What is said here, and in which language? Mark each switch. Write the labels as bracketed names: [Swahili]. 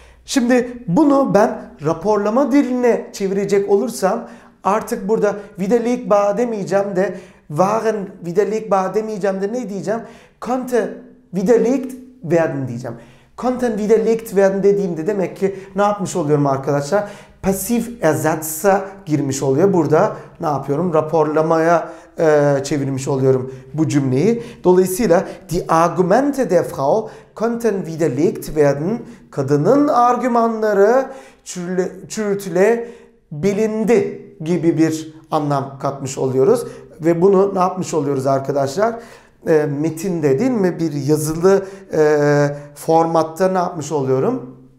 [Turkish] Şimdi bunu ben raporlama diline çevirecek olursam artık burada widerlegbar demeyeceğim de [German] waren widerlegbar [Turkish] demeyeceğim de ne diyeceğim? [German] Konnte widerlegt werden [Turkish] diyeceğim. [German] Konnten widerlegt werden [Turkish] dediğimde demek ki ne yapmış oluyorum arkadaşlar? Pasif ersatz'a girmiş oluyor. Burada ne yapıyorum? Raporlamaya çevirmiş oluyorum bu cümleyi. [German] Dolayısıyla die Argumente der Frau konnten widerlegt werden. [Turkish] Kadının argümanları çürütülebilindi gibi bir anlam katmış oluyoruz. Ve bunu ne yapmış oluyoruz arkadaşlar? Metinde değil mi? Bir yazılı formatta ne yapmış oluyorum?